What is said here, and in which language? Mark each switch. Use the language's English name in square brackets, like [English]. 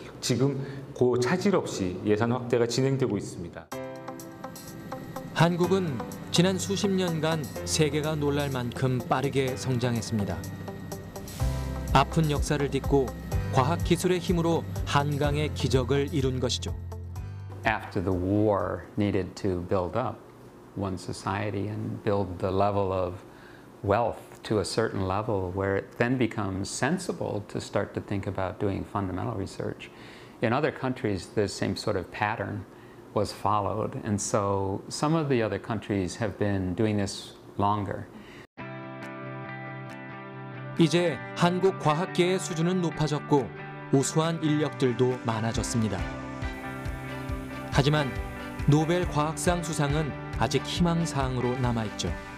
[Korean] 지금 고 차질 없이 예산 확대가 진행되고 있습니다. 한국은 지난 수십 년간 세계가 놀랄 만큼 빠르게 성장했습니다. 아픈 역사를 딛고 과학 기술의 힘으로 한강의 기적을 이룬 것이죠. [English] After the war needed to build up one society and build the level of wealth to a certain level where it then becomes sensible to start to think about doing fundamental research. In other countries, the same sort of pattern was followed. And so some of the other countries have been doing this longer. [Korean] 이제 한국 과학계의 수준은 높아졌고 우수한 인력들도 많아졌습니다. 하지만 노벨 과학상 수상은 아직 희망사항으로 남아있죠.